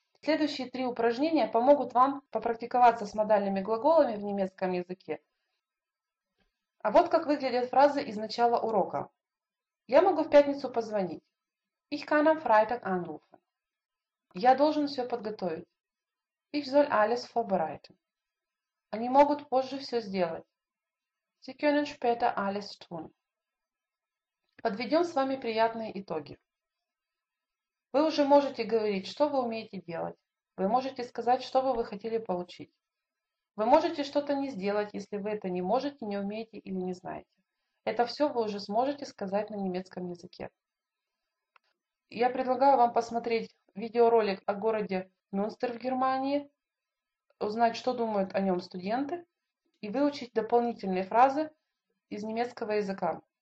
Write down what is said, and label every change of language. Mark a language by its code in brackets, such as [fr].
[ru] Следующие три упражнения помогут вам попрактиковаться с модальными глаголами в немецком языке. А вот как выглядят фразы из начала урока. Я могу в пятницу позвонить. [de] Ich kann am Freitag anrufen. [ru] Я должен все подготовить. [de] Ich soll alles vorbereiten. [ru] Они могут позже все сделать. [de] Sie können später alles tun. [ru] Подведем с вами приятные итоги. Вы уже можете говорить, что вы умеете делать. Вы можете сказать, что бы вы хотели получить. Вы можете что-то не сделать, если вы это не можете, не умеете или не знаете. Это все вы уже сможете сказать на немецком языке. Я предлагаю вам посмотреть видеоролик о городе Мюнстер в Германии, узнать, что думают о нем студенты, и выучить дополнительные фразы из немецкого языка.